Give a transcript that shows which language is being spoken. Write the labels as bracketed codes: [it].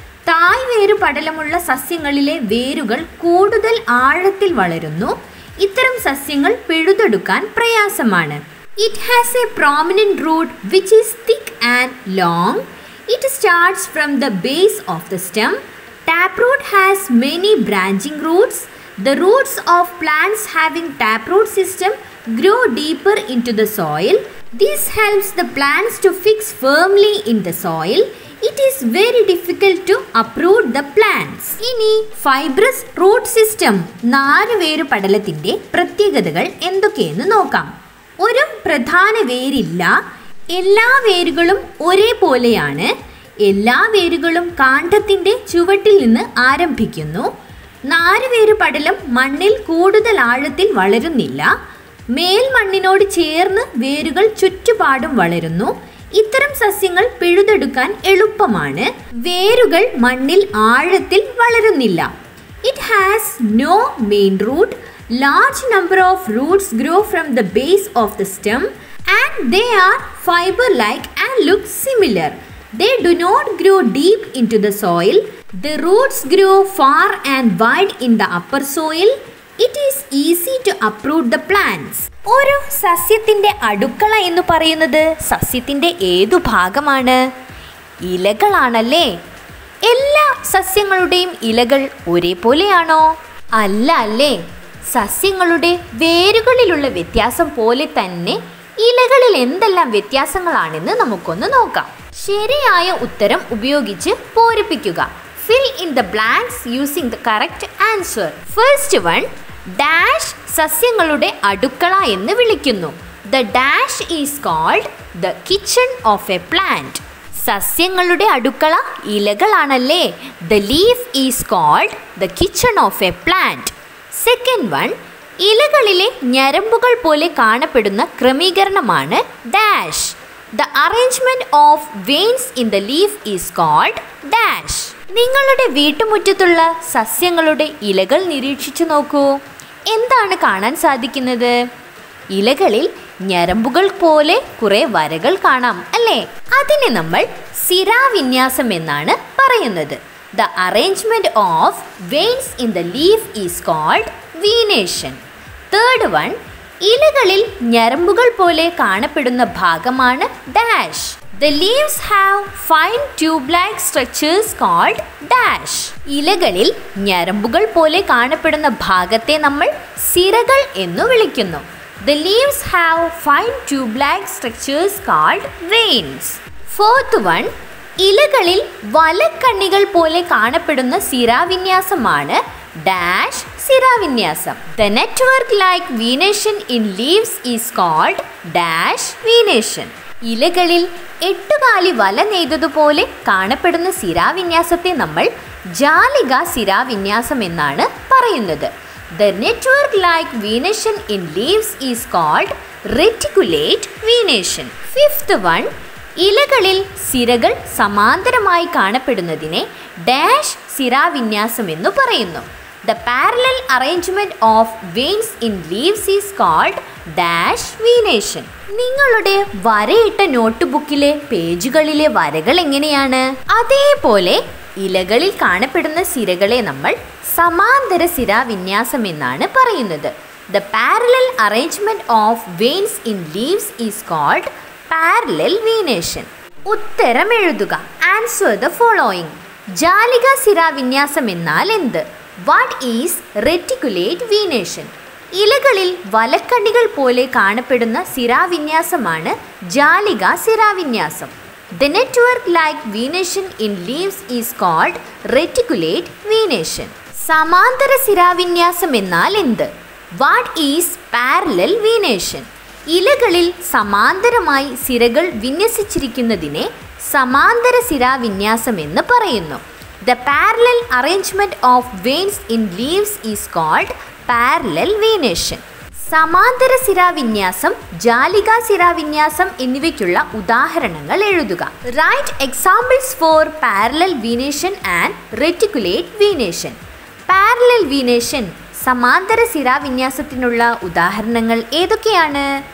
[ml] തായ് വേരുപടലമുള്ള സസ്യങ്ങളിലെ വേരുകൾ കൂടുതൽ ആഴത്തിൽ വളരുന്നു. ഇത്തരം സസ്യങ്ങൾ പിഴുതെടുക്കാൻ പ്രയാസമാണ്. [en] It has a prominent root which is thick and long. It starts from the base of the stem. Taproot has many branching roots. The roots of plants having taproot system grow deeper into the soil. This helps the plants to fix firmly in the soil. It is very difficult to uproot the plants. ഇനി fibrous root system. [ml] നാല് വേര് പടലത്തിൻ്റെ പ്രത്യേകതകൾ എന്തൊക്കെയെന്ന് നോക്കാം. ഒരു പ്രധാന വേരില്ല. എല്ലാ വേരുകളും ഒരേപോലെയാണ്. എല്ലാ വേരുകളും കാണ്ഡത്തിൻ്റെ ചുവട്ടിൽ നിന്ന് ആരംഭിക്കുന്നു. നാരുവേര് പടലം മണ്ണിൽ കൂടുതൽ ആഴത്തിൽ വളരുന്നില്ല. മേൽമണ്ണിനോട് ചേർന്ന് വേരുകൾ ചുറ്റുപാടും വളരുന്നു. ഇത്തരം സസ്യങ്ങൾ പിഴുതെടുക്കാൻ എളുപ്പമാണ്. വേരുകൾ മണ്ണിൽ ആഴത്തിൽ വളരുന്നില്ല. [en] It has no main root. Large number of roots grow from the base of the stem and they are fibre like and look similar. They do not grow deep into the soil. The roots grow far and wide in the upper soil. It is easy to uproot the plants. [ml] ഒരു സസ്യത്തിന്റെ അടുക്കള എന്ന് പറയുന്നത് സസ്യത്തിന്റെ ഏതു ഭാഗമാണ്? ഇലകളാണല്ലേ. എല്ലാ സസ്യങ്ങളുടെയും ഇലകൾ ഒരേപോലെയാണോ? അല്ല അല്ലേ. സസ്യങ്ങളുടെ വേരുകളിലുള്ള വ്യത്യാസം പോലെ തന്നെ ഇലകളിൽ എന്തെല്ലാം വ്യത്യാസങ്ങളാണെന്ന് നമുക്കൊന്ന് നോക്കാം. ശരിയായ ഉത്തരം ഉപയോഗിച്ച് പൂരിപ്പിക്കുക. [en] Fill in the blanks using the correct answer. First one, [ml] dash സസ്യങ്ങളുടെ അടുക്കള എന്ന് വിളിക്കുന്നു. [en] The dash is called the kitchen of a plant. [ml] സസ്യങ്ങളുടെ അടുക്കള ഇലകളാണല്ലേ. [en] The leaf is called the kitchen of a plant. Second one, [ml] ഇലകളിലെ ഞരമ്പുകൾ പോലെ കാണപ്പെടുന്ന ക്രമീകരണമാണ് dash. [en] The arrangement of veins in the leaf is called dash. [ml] നിങ്ങളുടെ വീട്ടുമുറ്റത്തുള്ള സസ്യങ്ങളുടെ ഇലകൾ നിരീക്ഷിച്ചു നോക്കൂ. എന്താണ് കാണാൻ സാധിക്കുന്നത്? ഇലകളിൽ ഞരമ്പുകൾ പോലെ കുറെ വരകൾ കാണാം അല്ലേ. അതിനെ നമ്മൾ സിരാവിന്യാസം എന്നാണ് പറയുന്നത്. [en] The arrangement of veins in the leaf is called venation. Third one, [ml] ഇലകളിൽ ഞരമ്പുകൾ പോലെ കാണപ്പെടുന്ന ഭാഗമാണ് dash. [en] The leaves have fine tube like structures called dash. [ml] ഇലകളിൽ ഞരമ്പുകൾ പോലെ കാണപ്പെടുന്ന ഭാഗത്തെ നമ്മൾ സിരകൾ എന്ന് വിളിക്കുന്നു. [en] The leaves have fine tube like structures called veins. Fourth one, [ml] ഇലകളിൽ വലക്കണ്ണികൾ പോലെ കാണപ്പെടുന്ന സിരാവിന്യാസമാണ് dash സിരാവിന്യാസം. [en] The network like venation in leaves is called dash venation. [ml] ഇലകളിൽ എട്ടുകാലി വല നെയ്തതുപോലെ കാണപ്പെടുന്ന സിരാവിന്യാസത്തെ നമ്മൾ ജാലിക സിരാവിന്യാസം എന്നാണ് പറയുന്നത്. [en] The network like venation in leaves is called reticulate venation. Fifth one, [ml] ഇലകളിൽ സിരകൾ സമാന്തരമായി കാണപ്പെടുന്നതിനെ ഡാഷ് സിരാവിന്യാസം എന്ന് പറയുന്നു. [en] The parallel arrangement of veins in leaves is called dash venation. [ml] നിങ്ങളുടെ വരയിട്ട നോട്ട്ബുക്കിലെ പേജുകളിലെ വരകൾ എങ്ങനെയാണ്? അതേപോലെ ഇലകളിൽ കാണപ്പെടുന്ന സിരകളെ നമ്മൾ സമാന്തര സിരാവിന്യാസം എന്നാണ് പറയുന്നത്. [en] The parallel arrangement of veins in leaves is called parallel venation. [ml] ഉത്തരം എഴുതുക. [en] Answer the following. [ml] ജാലിക സിരാവിന്യാസം എന്നാൽ എന്ത്? [en] What is reticulate venation? [ml] ഇലകളിൽ വലക്കണ്ണികൾ പോലെ കാണപ്പെടുന്ന സിരാവിന്യാസമാണ് ജാലിക സിരാവിന്യാസം. [en] The network like venation in leaves is called reticulate venation. [ml] സമാന്തര സിരാവിന്യാസം എന്നാൽ എന്ത്? [en] What is parallel venation? [ml] ഇലകളിൽ സമാന്തരമായി സിരകൾ വിന്യസിച്ചിരിക്കുന്നതിനെ സമാന്തര സിരാവിന്യാസം എന്ന് പറയുന്നു. [en] The parallel arrangement of veins in leaves is called parallel venation. [ml] സമാന്തര സിരാവിന്യാസം, ജാലിക സിരാവിന്യാസം എന്നിവയ്ക്കുള്ള ഉദാഹരണങ്ങൾ എഴുതുക. [en] Write examples for parallel venation and reticulate venation. [ml] Parallel venation, സമാന്തര സിരാവിന്യാസത്തിനുള്ള ഉദാഹരണങ്ങൾ ഏതൊക്കെയാണ്?